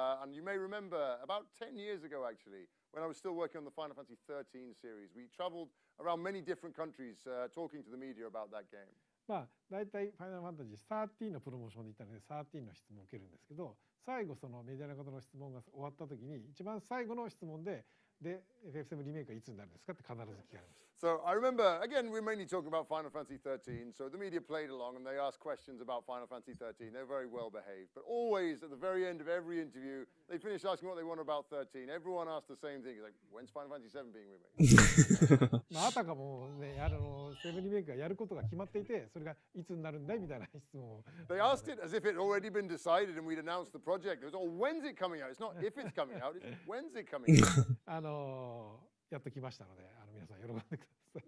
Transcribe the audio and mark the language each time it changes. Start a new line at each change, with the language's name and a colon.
English: And you may remember about 10 years ago, actually, when I was still working on the Final Fantasy 13 series, we traveled around many different countries talking to the media about that game.
Japanese: まあ、だいたいファイナルファンタジー13のプロモーションで行ったので、13の質問を受けるんですけど、最後そのメディアの方の質問が終わった時に、一番最後の質問で、で、FF7 リメイクはいつになるんですかって必ず聞かれます。
English: So I remember, again, we're mainly talking about Final Fantasy 13, so the media played along and they asked questions about Final Fantasy 13. They're very well behaved. But always, at the very end of every interview, they finish asking what they want about 13. Everyone asked the same thing. It's like, when's Final Fantasy 7 being remade?
Japanese: まあたかもね、あの、7リメイクがやることが決まっていて、それがいつになるんだいみたいな質問を。
English: They asked it as if it had already been decided and we'd announced the project. It was, oh, when's it coming out? It's not if it's coming out, it's when's it coming out?
Japanese: やっと来ましたので、あの皆さん喜んでください。